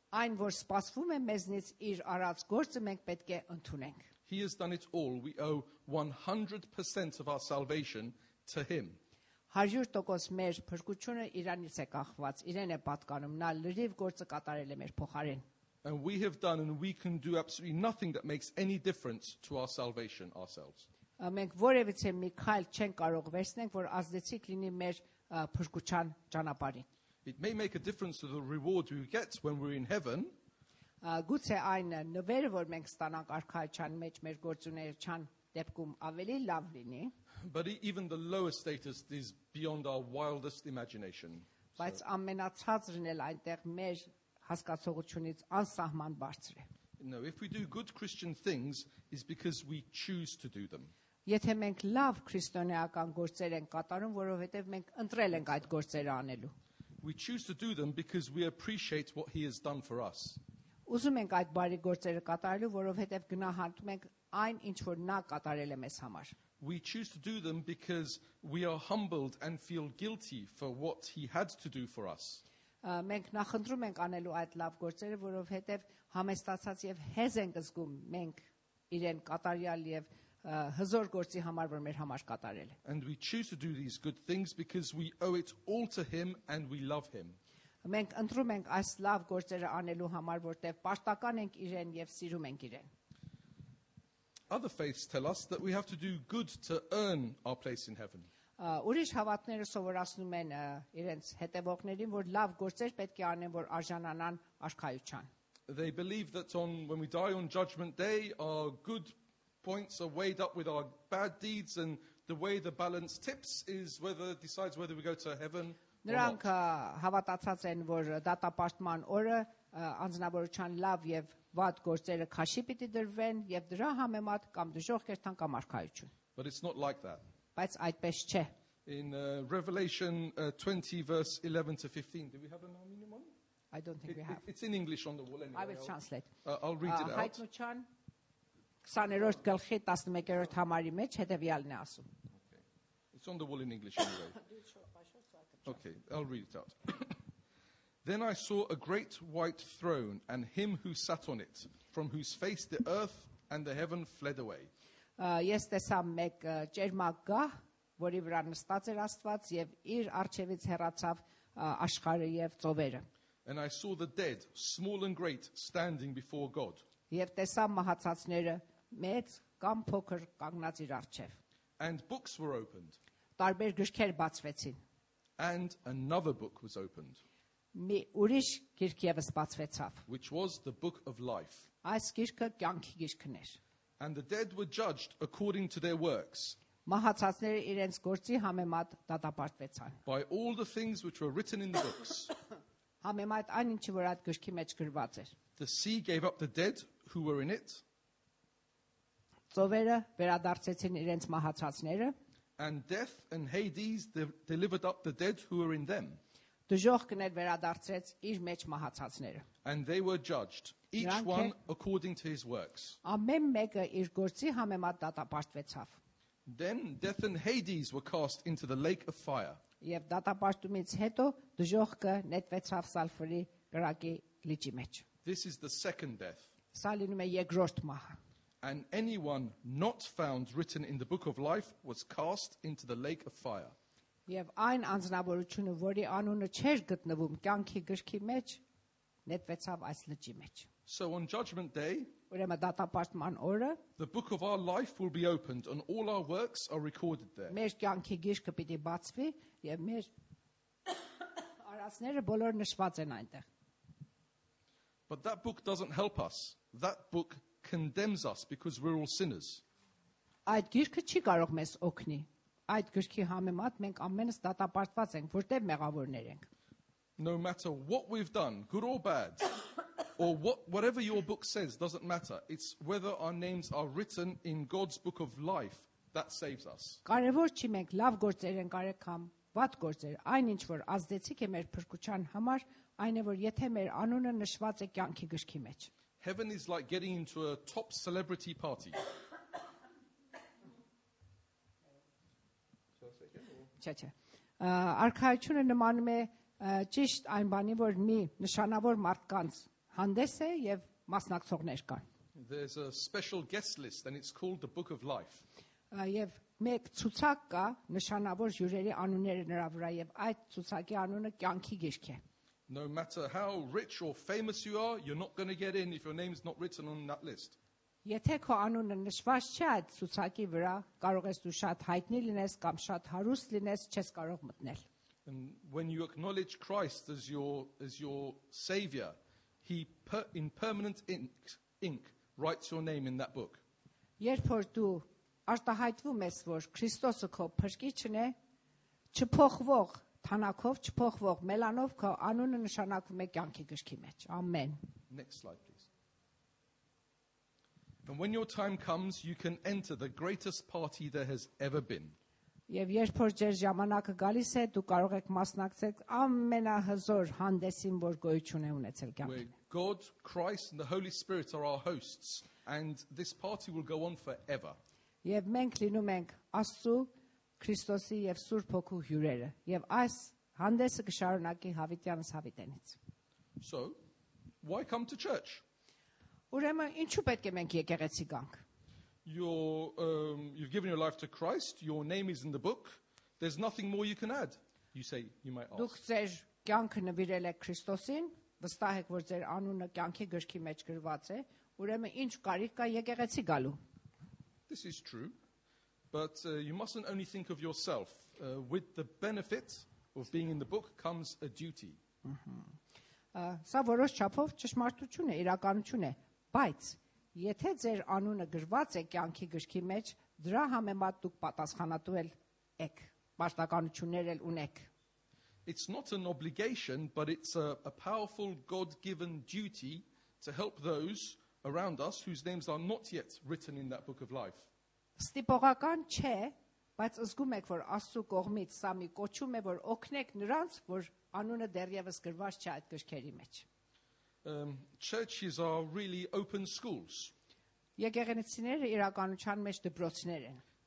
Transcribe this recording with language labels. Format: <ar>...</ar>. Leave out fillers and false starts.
<hy>Այն, որ սպասվում է մեզնից իր արած գործը, մենք պետք է ընդունենք։</hy> <en>He has done it all. We owe 100% of our salvation to him.</en> <hy>100% մեր փրկությունը իրանից է կախված, իրեն է պատկանում, նա լրիվ գործը կատարել է մեր փոխարեն։</hy> <en>And we have done and we can do absolutely nothing that makes any difference to our salvation ourselves.</en> <hy>Մենք որևիցե մի քայլ չենք կարող վերցնել, որ ազդեցիկ լինի մեր փրկության ճանապարհին։</hy> <en>It may make a difference to the reward we get when we're in heaven.</en> <hy>Գուցե այն նվերը, որ մենք ստանանք արքայության մեջ մեր գործունեության դեպքում ավելի լավ լինի։</hy> <en>But even the lowest status is beyond our wildest imagination.</en> <hy>Բայց ամենացածրն էլ այնտեղ մեր հասկացողությունից անսահման բարձր է։</hy> <en>No, if we do good Christian things is because we choose to do them.</en> <hy>Եթե մենք լավ քրիստոնեական գործեր ենք կատարում, որովհետև մենք ընտրել ենք այդ գործերը անելու։</hy> <en>We choose to do them because we appreciate what he has done for us.</en> <hy>Ուզում ենք այդ բարի գործերը կատարելու, որովհետև գնահատում ենք այն, ինչ որ նա կատարել է մեզ համար։</hy> <en>We choose to do them because we are humbled and feel guilty for what he had to do for us.</en> <hy>Մենք նախընտրում ենք անելու այդ լավ գործերը, որովհետև համեստացած եւ հեզ ենք զգում մենք իրեն կատարյալ եւ հզոր գործի համար, որ մեր համար կատարել է։</hy> <en>And we choose to do these good things because we owe it all to him and we love him.</en> <hy>Մենք ընտրում ենք այս լավ գործերը անելու համար, որտեւ պաշտական ենք իրեն եւ սիրում ենք իրեն։</hy> <en>Other faiths tell us that we have to do good to earn our place in heaven.</en> <hy>Ուրիշ հավատները սովորացնում են իրենց հետևողներին, որ լավ գործեր պետք է անեն, որ արժանանան արքայության։</hy> <en>They believe that on when we die on judgment day, our good points are weighed up with our bad deeds and the way the balance tips is whether decides whether we go to heaven or not.</en> <hy>Նրանք հավատացած են, որ դատապաշտման օրը անձնավորության լավ եւ վատ գործերը քաշի պիտի դրվեն եւ դրա համեմատ կամ դժոխք երթան կամ արքայություն։</hy> <en>But it's not like that.</en> <hy>Բայց այդպես չէ։</hy> <en>In Revelation 20 verse 11 to 15, do we have an Armenian one? I don't think we have. It's in English on the wall anyway. I will translate. I'll read it out.</en> <hy>Հայտնության 20-րդ գլխի 11-րդ համարի մեջ հետևյալն է ասում.</hy> <en>It's on the wall in English anyway. Okay, I'll read it out. Then I saw a great white throne and him who sat on it, from whose face the earth and the heaven fled away.</en> <hy>Ես տեսա մեկ ճերմակ գահ, որի վրա նստած էր Աստված եւ իր առջևից հեռացավ աշխարհը եւ ծովերը։</hy> <en>And I saw the dead, small and great, standing before God.</en> <hy>Եվ տեսա մահացածները, մեծ կամ փոքր, կանգնած իր առջև։</hy> <en>And books were opened.</en> <hy>Տարբեր գրքեր բացվեցին։</hy> <en>And another book was opened.</en> <hy>Մի ուրիշ գիրք եւս բացվեցավ։</hy> <en>Which was the book of life.</en> <hy>Այս գիրքը կյանքի գիրքն էր։</hy> <en>And the dead were judged according to their works.</en> <hy>Մահացածները իրենց գործի համեմատ դատապարտվեցան։</hy> <en>By all the things which were written in the books.</en> <hy>Համեմատ այն ինչ որ այդ գրքի մեջ գրված էր։</hy> <en>The sea gave up the dead who were in it.</en> <hy>Ծովերը վերադարձեցին իրենց մահացածները։</hy> <en>And death and Hades delivered up the dead who were in them.</en> <hy>Դժոխքն էլ վերադարձրեց իր մեջ մահացածները։</hy> <en>And they were judged. Each one according to his works.</en> <hy>Ամեն մեկը իր գործի համեմատ դատապարտվեցավ։</hy> <en>Then death and Hades were cast into the lake of fire.</en> <hy>Եվ դատապարտումից հետո դժոխքը նետվեցավ սալֆրի կրակի լիճի մեջ։</hy> <en>This is the second death.</en> <hy>Սա լինում է երկրորդ մահը։</hy> <en>And anyone not found written in the book of life was cast into the lake of fire.</en> <hy>Եվ այն անձնավորությունը, որի անունը չէր գտնվում կյանքի գրքի մեջ, նետվեցավ այս լճի մեջ։</hy> <en>So on judgment day,</en> <hy>ուրեմն դատապարտման օրը,</hy> <en>the book of our life will be opened and all our works are recorded there.</en> <hy>Մեր կյանքի գիրքը պիտի բացվի եւ մեր արածները բոլոր նշված են այնտեղ։</hy> <en>But that book doesn't help us. That book condemns us because we're all sinners.</en> <hy>Այդ գիրքը չի կարող մեզ օգնի։ Այդ գրքի համեմատ մենք ամենս դատապարտված ենք, որտեղ մեղավորներ ենք։</hy> <en>No matter what we've done, good or bad, or whatever your book says, doesn't matter. It's whether our names are written in God's book of life that saves us.</en> <hy>Կարևոր չի մենք լավ գործեր ենք արել կամ վատ գործեր, այնինչ որ ազդեցիկ է մեր փրկության համար, այն է որ եթե մեր անունը նշված է կյանքի գրքի մեջ.</hy> <en>Heaven is like getting into a top celebrity party.</en> <hy>Չէ։ Արքայությունը նմանում է ճիշտ այն բանի, որ մի նշանավոր մարդկանց հանդես է եւ մասնակցողներ կան։</hy> <en>There's a special guest list and it's called the Book of Life.</en> <hy>Եվ մեկ ցուցակ կա նշանավոր հյուրերի անունները նրա վրա եւ այդ ցուցակի անունը կյանքի գիրք է։</hy> <en>No matter how rich or famous you are, you're not going to get in if your name's not written on that list.</en> <hy>Եթե քո անունը նշված չէ այդ ցուցակի վրա, կարող ես դու շատ հայտնի լինես կամ շատ հարուստ լինես, չես կարող մտնել։</hy> <en>And when you acknowledge Christ as your savior, he in permanent ink writes your name in that book.</en> <hy>Երբ որ դու արտահայտվում ես, որ Քրիստոսը քո փրկիչն է, չփոխվող, թանաքով չփոխվող, մելանով քո անունը նշանակվում է կյանքի գրքի մեջ։ Ամեն։</hy> <en>Next slide, please. And when your time comes, you can enter the greatest party there has ever been.</en> <hy>Եվ երբ որ ձեր ժամանակը գալիս է, դու կարող ես մասնակցել ամենահզոր հանդեսին, որ գոյություն է ունեցել կյանքում։</hy> <en>Where God, Christ and the Holy Spirit are our hosts, and this party will go on forever.</en> <hy>Եվ մենք լինում ենք Աստծո, Քրիստոսի եւ Սուրբ Հոգու հյուրերը, եւ այս հանդեսը կշարունակի հավիտյանս հավիտենից։</hy> <en>So, why come to church?</en> <hy>Ուրեմն, ինչու պետք է մենք եկեղեցի գանք?</hy> <en>You've given your life to Christ, your name is in the book. There's nothing more you can add. You say you might ask.</en> <hy>Դուք ձեր կյանքը նվիրել եք Քրիստոսին, վստահ եք, որ ձեր անունը կյանքի գրքի մեջ գրված է, ուրեմն ինչ կարիք կա եկեղեցի գալու?</hy> <en>This is true, but you mustn't only think of yourself. With the benefit of being in the book comes a duty.</en> <hy>Սա որոշ չափով ճշմարտություն է, իրականություն է, բայց եթե ձեր անունը գրված է կյանքի գրքի մեջ, դրա համեմատ դուք պատասխանատու եք, պաշտականություններ էլ ունեք։</hy> <en>It's not an obligation, but it's a powerful God-given duty to help those around us whose names are not yet written in that book of life.</en> <hy>Ստիպողական չէ, բայց ազգում եք, որ Աստծո կողմից սա մի կոչում է, որ օգնեք նրանց, որ անունը դեռևս գրված չէ այդ գրքերի մեջ։</hy> <en>Churches are really open schools.</en> <hy>Եկեղեցիները իրականության մեջ դպրոցներ են։</hy>